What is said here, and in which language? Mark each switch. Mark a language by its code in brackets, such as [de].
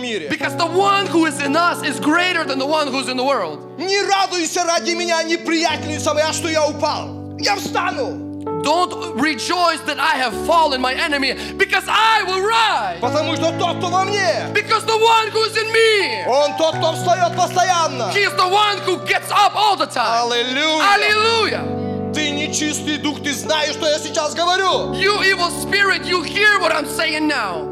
[en] Because the one who is in us is greater than the one who is in the world. [ru] Не радуйся ради меня, неприятельница моя, что я упал. Я встану. [en] Don't rejoice that I have fallen, my enemy, because I will rise. [ru] Потому что тот, кто во мне. [en] Because the one who is in me. [ru] Он тот, кто встает постоянно. [en] He is the one who gets up all the time. Hallelujah. Hallelujah. [ru] Ты нечистый дух, ты знаешь, что я сейчас говорю. [en] You evil spirit, you hear what I'm saying now.